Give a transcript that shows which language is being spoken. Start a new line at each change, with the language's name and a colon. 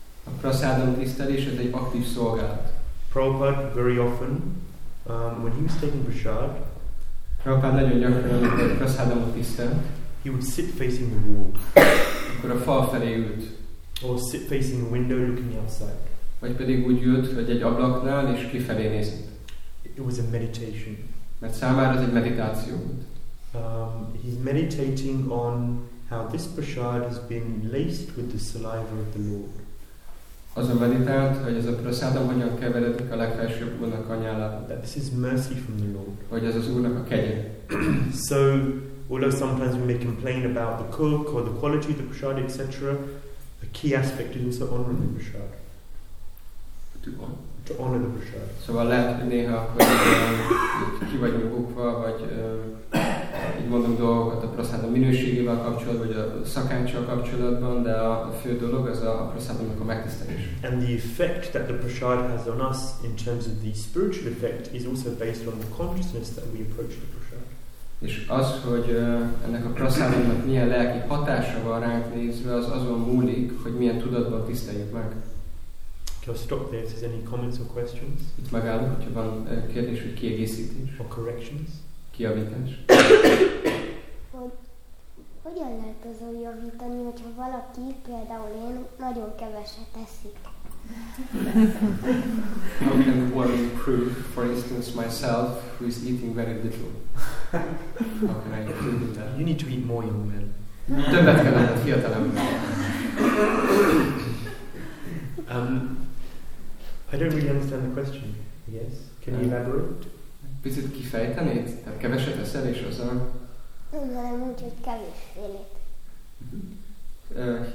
Hungarian: A Prasadam tisztelés az egy aktív szolgálat.
English: Prabhupada very often, when he was taking Prasad,
Hungarian: Prabhupád nagyon gyakran, amikor prasádamot tisztelt,
English: he would sit facing the wall.
Hungarian: Akkor a fal felé ült.
English: Or sit facing the window looking outside.
Hungarian: Vagy pedig úgy ült, hogy egy ablaknál és kifelé nézett.
English: It was a meditation.
Hungarian: Mert számára ez egy meditáció volt.
English: He's meditating on how this prasad has been laced with the saliva of the Lord.
Hungarian: Azon meditált, hogy ez a prasádam hogyan keveredik a legfelsőbb Úrnak anyjálába.
English: That this is mercy from the Lord.
Hungarian: Hogy ez az Úrnak a kegye.
English: So, although sometimes we may complain about the cook or the quality of the prasad, etc., a key aspect is also honoring the prasad. To honor the prasad.
Hungarian: Szóval lehet, hogy néha, hogy ki vagyunk okva, vagy így mondom dolgokat a prasádom minőségével kapcsolatban, vagy a szakáccsal kapcsolatban, de a fő dolog az a prasádomnak a megtisztelés.
English: And the effect that the prasad has on us in terms of the spiritual effect is also based on the consciousness that we approach the prasad.
Hungarian: És az, hogy ennek a prasádomnak milyen lelki hatása van ránk nézve, az azon múlik, hogy milyen tudatban tiszteljük meg.
English: Okay, I'll stop there if there's any comments or questions.
Hungarian: Itt megállunk, hogyha van kérdés, vagy kiegészítés.
English: Or corrections.
Hungarian: Kijavítás. Hogyan lehet azon javítani, hogyha valaki, például én, nagyon keveset eszik?
English: How can one improve, for instance, myself, who is eating very little? How can I improve that? You need to eat more, young man.
Hungarian: Többet kell lenned, fiatal ember.
English: I don't really understand the question. Yes? Can you elaborate?
Hungarian: Picit kifejtenéd? Tehát keveset eszel, és az a... Nem, úgy, hogy kevésfélét.